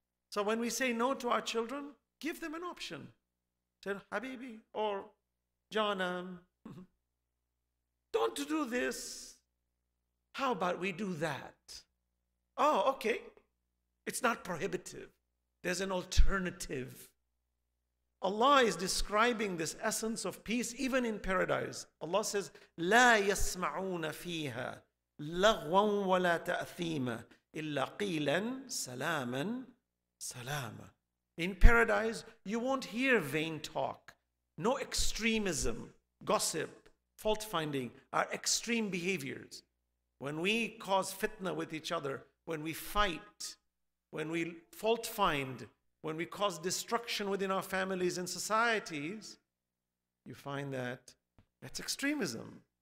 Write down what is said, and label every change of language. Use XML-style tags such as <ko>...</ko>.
<en>So when we say no to our children, give them an option. Say, Habibi or Janam, don't do this. How about we do that? Oh, okay. It's not prohibitive. There's an alternative. Allah is describing this essence of peace even in paradise. Allah says,</en> <ar>لَا يَسْمَعُونَ فِيهَا لَغْوًا وَلَا تَأْثِيمًا إِلَّا قِيلًا سَلَامًا سَلَامًا.</ar> <en>In paradise, you won't hear vain talk. No extremism, gossip, fault-finding are extreme behaviors. When we cause fitna with each other, when we fight, when we fault find, when we cause destruction within our families and societies, you find that that's extremism.</en>